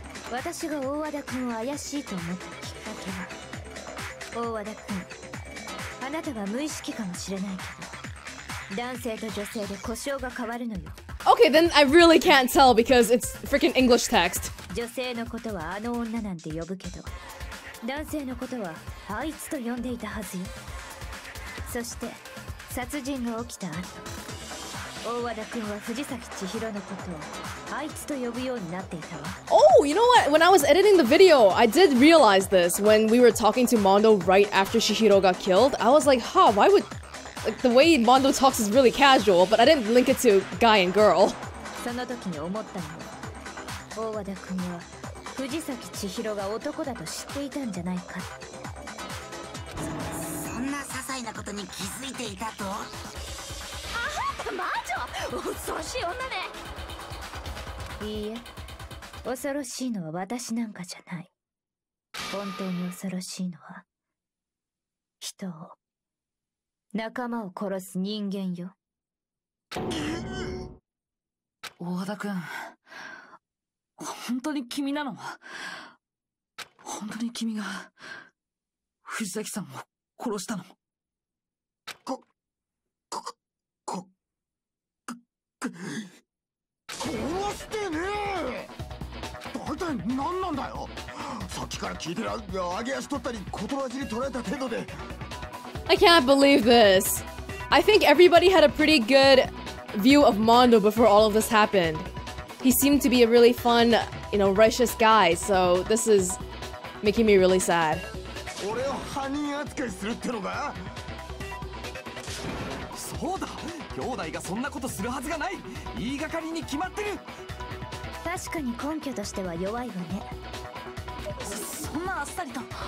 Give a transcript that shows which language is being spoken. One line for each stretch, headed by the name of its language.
Japanese: 私が大和田君を怪しいと思ったきっかけは、大和田君、あなたが無意識かもしれないけど、男性と女性で故障が変わるのよ。
English: Okay, then I really can't tell because it's freaking English text.
Japanese: 女性のことはあの女なんて呼ぶけど、男性のことはあいつと呼んでいたはずよ。そして殺人が起きた後、大和田君は藤崎千尋のことをあいつと呼ぶようになっていたわ。
English: Oh, you know what? When I was editing the video, I did realize this when we were talking to Mondo right after Chihiro got killed. I was like, huh, why would... Like, the way Mondo talks is really casual, but I didn't link it to guy and girl.
Japanese: その時に思ったのは、大和田君は藤崎千尋が男だと知っていたんじゃないか。そんな些細なことに気づいていたと？あは、魔女！恐ろしい女ね。いいえ、恐ろしいのは私なんかじゃない。本当に恐ろしいのは人を、仲間を殺す人間よ。大和田君、本当に君なの？本当に君が藤崎さんを殺したの？殺してねえ。大体何なんだよ。さっきから聞いてる、揚げ足取ったり言葉尻取られた程度で。
English: I can't believe this. I think everybody had a pretty good view of Mondo before all of this happened. He seemed to be a really fun, you know, righteous guy. So this is making me really sad.
Japanese: 俺を犯人扱いするってのか？そうだ、兄弟がそんなことするはずがない。言いがかりに決まってる。確かに根拠としては弱いわね。そんなあっさりと。